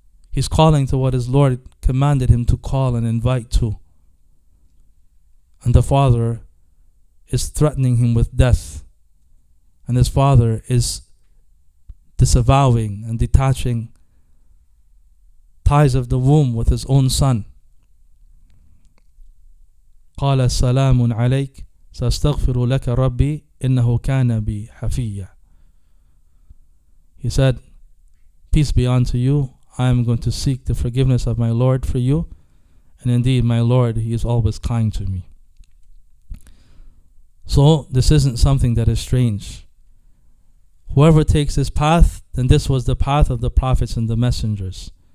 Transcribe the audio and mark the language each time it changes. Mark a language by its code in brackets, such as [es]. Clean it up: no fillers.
[en] He's calling to what his Lord commanded him to call and invite to. And the father is threatening him with death. And his father is disavowing and detaching ties of the womb with his own son. [ar] قال سلام عليك سأستغفر لك ربي إنه كان بي حفيا. [en] He said, peace be unto you, I am going to seek the forgiveness of my Lord for you, and indeed my Lord, he is always kind to me. So this isn't something that is strange. Whoever takes this path, then this was the path of the prophets and the messengers.